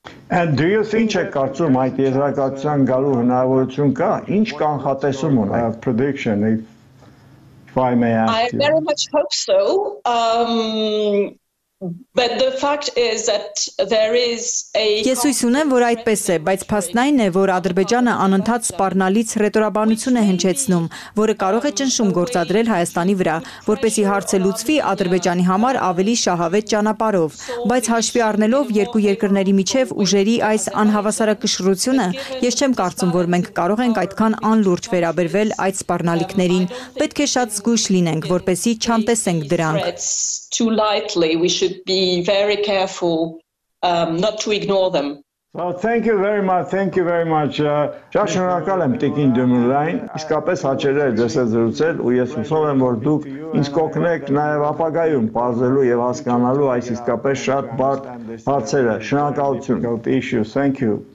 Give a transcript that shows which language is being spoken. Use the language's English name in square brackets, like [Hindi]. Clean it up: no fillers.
[English] And do you think [Armenian] չեք կարծում այդ եզրակացության գալու հնարավորություն կա, ինչ կանխատեսում ունի [English] prediction if I may ask I very much hope so But the fact is that there is a [Armenian] Ես հույս ունեմ, որ այդպես է, բայց փաստն այն է, որ Ադրբեջանը անընդհատ սպառնալից ռետորաբանություն է հնչեցնում, որը կարող է ճնշում գործադրել Հայաստանի վրա, որպեսզի հարցը լուծվի Ադրբեջանի համար ավելի շահավետ ճանապարհով, բայց հաշվի առնելով երկու երկրների միջև ուժերի այս անհավասարակշռությունը, ես չեմ կարծում, որ մենք կարող ենք այդքան անլուրջ վերաբերվել այդ սպառնալիքներին, պետք է շատ զգույշ լինենք, որպեսզի չանտեսենք դրանք. [English] Too lightly, we should be very careful not to ignore them. Well, thank you very much. Thank you very much. [Armenian] Շնորհակալ եմ Տիկին Դեմուլային, իսկապես հաճելի է դեսեզրուցել, ու ես հուսով եմ, որ դուք ինձ կօգնեք նաև ապագայում բարձելու եւ հասկանալու այս իսկապես շատ բարդ հարցերը. Շնորհակալություն. [English] Thank you.